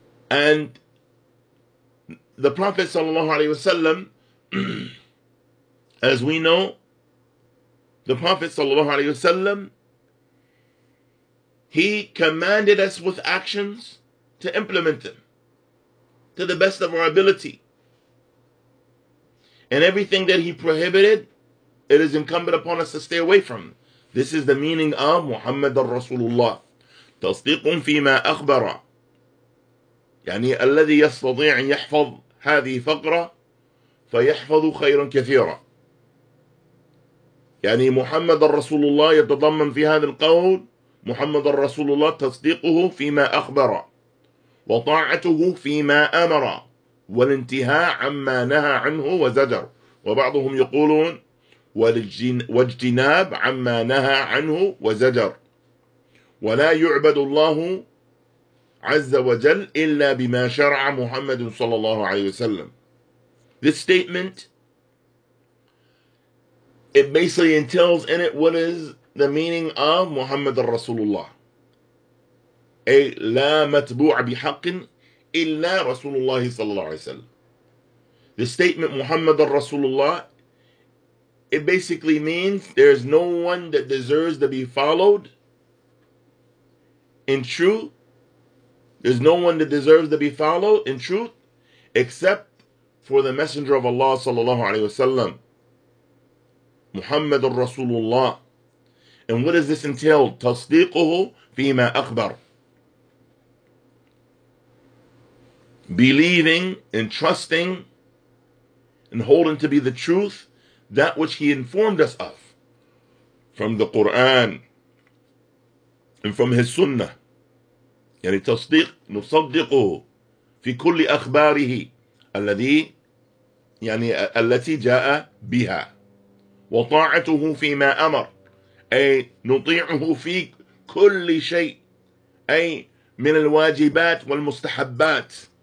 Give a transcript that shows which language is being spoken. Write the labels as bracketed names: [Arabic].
[English] And the Prophet sallallahu alaihi wasallam, as we know, the Prophet sallallahu alaihi wasallam, he commanded us with actions to implement them to the best of our ability. And everything that he prohibited, it is incumbent upon us to stay away from. This is the meaning of Muhammad al-Rasulullah. [Arabic] تَصْدِقٌ فِيمَا أَخْبَرَ يعني الذي يستطيع أن يحفظ هذه فقرة فيحفظ خيرا كثيرا. يعني محمد الرسول الله يتضمن في هذا القول, محمد الرسول الله تصديقه فيما أخبر وطاعته فيما أمر والانتهاء عما نهى عنه وزجر, وبعضهم يقولون واجتناب عما نهى عنه وزجر, ولا يعبد الله عز وجل إلا بما شرع محمد صلى الله عليه وسلم. [English] This statement, it basically entails in it what is the meaning of Muhammad Rasulullah. [Arabic] أي لا متبوع بحق إلا رسول الله صلى الله عليه وسلم. [English] The statement Muhammad Rasulullah, it basically means there is no one that deserves to be followed. In truth, there's no one that deserves to be followed in truth except for the Messenger of Allah sallallahu alayhi wa sallam, Muhammad Rasulullah. And what does this entail? [Arabic] تصديقه فيما أخبر. [English] Believing and trusting and holding to be the truth that which he informed us of from the Quran and from his Sunnah. [Arabic] يعني تصديق نصدقه في كل أخباره الذي يعني التي جاء بها وطاعته فيما أمر أي نطيعه في كل شيء أي من الواجبات والمستحبات